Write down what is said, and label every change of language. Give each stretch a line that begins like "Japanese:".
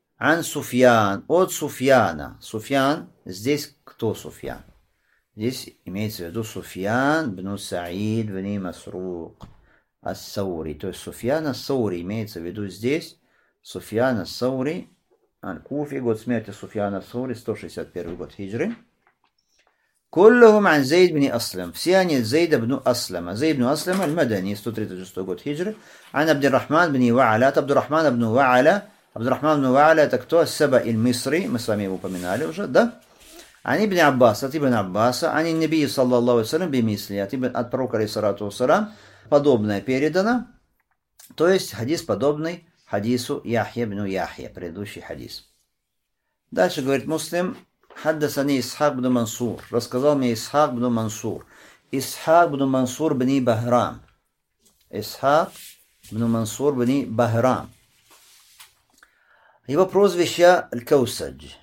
Russian: Ан Суфьян. От Суфьяна. Суфьян. Здесь кто Суфьян? Здесь имеется в виду Суфьян бну Саид бни Масрук. Ас-Саури. То есть Суфьян ас-Саури имеется в виду здесь. Суфьян ас-Саури. Аль-Куфи. Год смерти Суфьян ас-Саури. 161 год хиджры.
Arabic: كلهم عن زيد بن أسلم.
Russian: Все они زيد بن أسلم. زيد بن أسلم المدني 136 год хиджры.
Arabic: عن عبد الرحمن بن وعلة. عبد الرحمن بن وعلة. عبد الرحمن بن وعلة
Russian: это кто? Саба المصري. Мы с вами его упоминали уже, да?
Arabic: عن ابن عباس.
Russian: От
Arabic: ابن عباس. عن النبي صلى الله عليه وسلم بمثله.
Russian: От ابن от пророка
Arabic: عليه الصلاة والسلام.
Russian: Подобное передано. То есть хадис подобный хадису Яхья бну Яхья. Предыдущий хадис. Дальше говорит Муслим. Хаддасани Исхак бну Мансур. Рассказал мне Исхак бну Мансур. Исхак бну Мансур бни Бахрам. Исхак бну Мансур бни Бахрам. Его прозвище Аль-Каусадж.